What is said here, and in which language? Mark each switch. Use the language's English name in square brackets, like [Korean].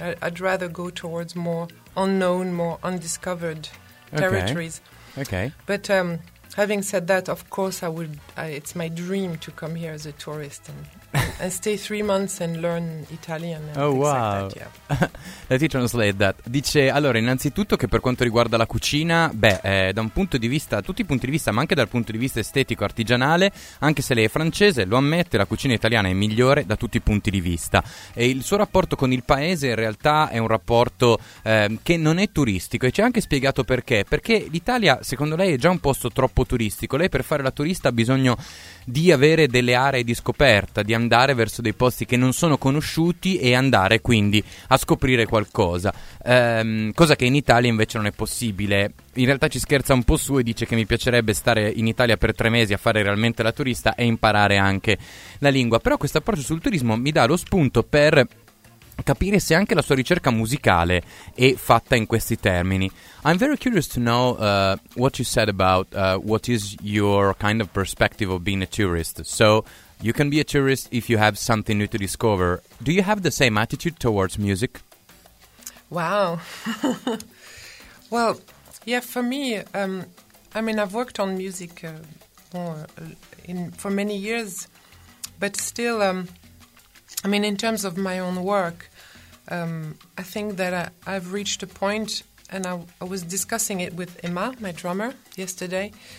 [English] I'd rather go towards more unknown, more undiscovered territories. Okay. But having said that, of course it's my dream to come here as a tourist and stay 3 months and learn Italian. And oh, wow. Like that, yeah. Let me translate that. [Italian] Dice, allora, innanzitutto che per quanto riguarda la cucina, da un punto di vista, tutti i punti di vista, ma anche dal punto di vista estetico, artigianale, anche se lei è francese, lo ammette, la cucina italiana è migliore da tutti i punti di vista. E il suo rapporto con il paese in realtà è un rapporto che non è turistico, e ci ha anche spiegato perché. Perché l'Italia, secondo lei, è già un posto troppo turistico. Lei per fare la turista ha bisogno di avere delle aree di scoperta, di andare verso dei posti che non sono conosciuti e andare quindi a scoprire qualcosa, cosa che in Italia invece non è possibile. In realtà ci scherza un po' su e dice che mi piacerebbe stare in Italia per 3 mesi a fare realmente la turista e imparare anche la lingua. Però questo approccio sul turismo mi dà lo spunto per capire se anche la sua ricerca musicale è fatta in questi termini. [English] I'm very curious to know what you said about what is your kind of perspective of being a tourist. So you can be a tourist if you have something new to discover. Do you have the same attitude towards music? Wow. Well, yeah, for me, I mean, I've worked on music for many years, but still, I mean, in terms of my own work, I think that I've reached a point, and I was discussing it with Emma, my drummer, yesterday,